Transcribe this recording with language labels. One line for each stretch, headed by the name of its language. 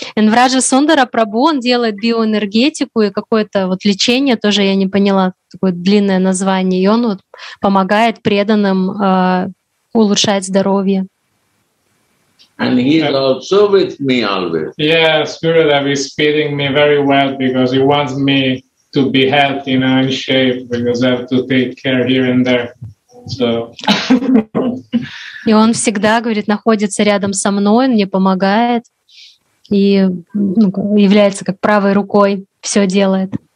Russian: И Враджа Сундара Прабу, он делает биоэнергетику и какое-то вот лечение, тоже я не поняла, такое длинное название. И он вот помогает преданным улучшать здоровье.
English: And he's also with me always. Yes, Gurudev is feeding me very well because he wants me to be healthy, you know, in shape, because I have to take care here and there. So...
Russian: И он всегда, говорит, находится рядом со мной, мне помогает и является как правой рукой, все делает.